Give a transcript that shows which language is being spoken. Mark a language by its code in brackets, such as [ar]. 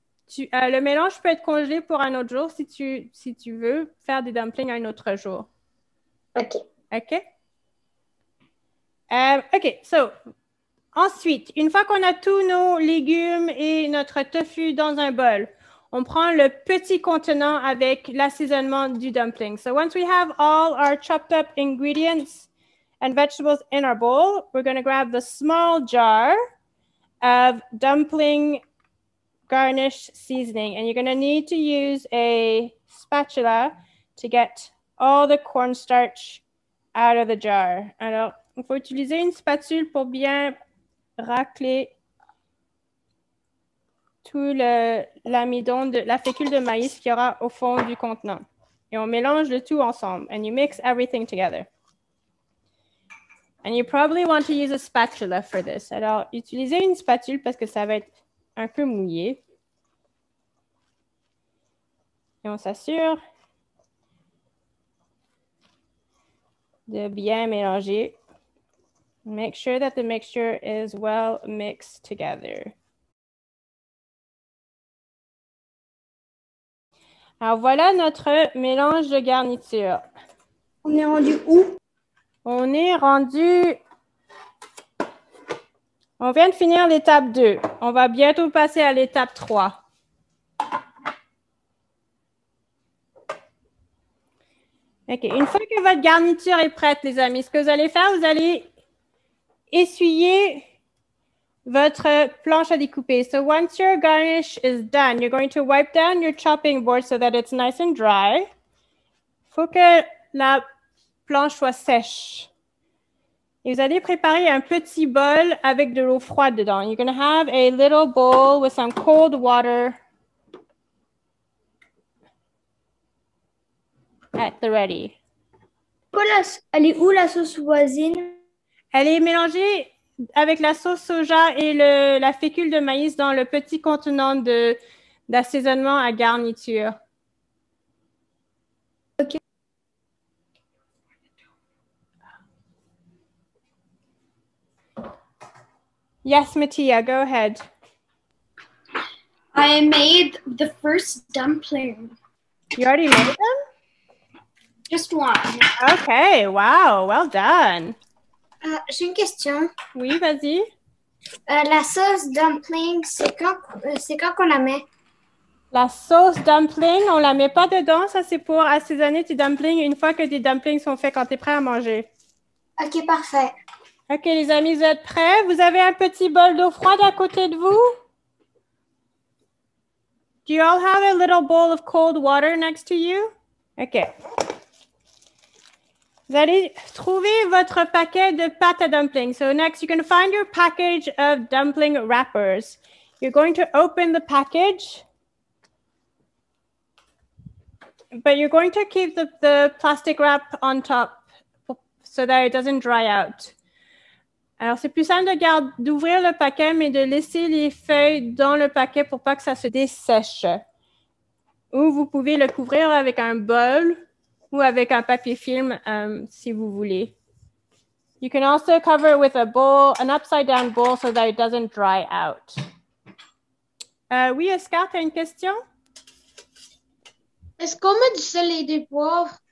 [fr] Le mélange peut être congelé pour un autre jour si tu veux faire des dumplings un autre jour. OK. OK. So, ensuite, une fois qu'on a tous nos légumes et notre tofu dans un bol, on prend le petit contenant avec l'assaisonnement du dumpling. [en] So once we have all our chopped up ingredients and vegetables in our bowl, we're going to grab the small jar of dumpling garnish seasoning. And you're going to need to use a spatula to get all the cornstarch out of the jar. [fr] Alors, il faut utiliser une spatule pour bien racler tout l'amidon, la fécule de maïs qu'il y aura au fond du contenant. Et on mélange le tout ensemble. [en] And you mix everything together. And you probably want to use a spatula for this. [fr] Alors, utilisez une spatule parce que ça va être un peu mouillé. Et on s'assure de bien mélanger. [en] Make sure that the mixture is well mixed together. [fr] Alors, voilà notre mélange de garniture. On est rendu où? On est rendu... On vient de finir l'étape 2. On va bientôt passer à l'étape 3. OK. Une fois que votre garniture est prête, les amis, ce que vous allez faire, vous allez essuyer votre planche à découper. [en] So once your garnish is done, you're going to wipe down your chopping board so that it's nice and dry. [fr] Faut que la planche soit sèche. Et vous allez préparer un petit bol avec de l'eau froide dedans. [en] You're going to have a little bowl with some cold water at the ready. [fr] Elle est où la sauce voisine? Elle est mélangée avec la sauce soja et la fécule de maïs dans le petit contenant d'assaisonnement à garniture. OK. [en] Yes, Mattia, go ahead. I made the first dumpling. You already made them? Just one. OK, wow, well done. [fr] J'ai une question. Oui, vas-y. La sauce dumpling, c'est quand qu'on la met? La sauce dumpling, on ne la met pas dedans. Ça, c'est pour assaisonner tes dumplings une fois que tes dumplings sont faits, quand tu es prêt à manger. OK, parfait. OK, les amis, vous êtes prêts? Vous avez un petit bol d'eau froide à côté de vous? [en] Do you all have a little bowl of cold water next to you? Okay. [fr] Vous allez trouver votre paquet de pâte à dumplings. [en] So next, you're going to find your package of dumpling wrappers. You're going to open the package, but you're going to keep the plastic wrap on top so that it doesn't dry out. [fr] Alors, c'est plus simple d'ouvrir le paquet, mais de laisser les feuilles dans le paquet pour pas que ça se dessèche. Ou vous pouvez le couvrir avec un bol ou avec un papier film, si vous voulez. [en] You can also cover it with a bowl, an upside down bowl, so that it doesn't dry out. [fr] Oui, Oscar, tu as une question? Est-ce qu'on met du sel et du poivre?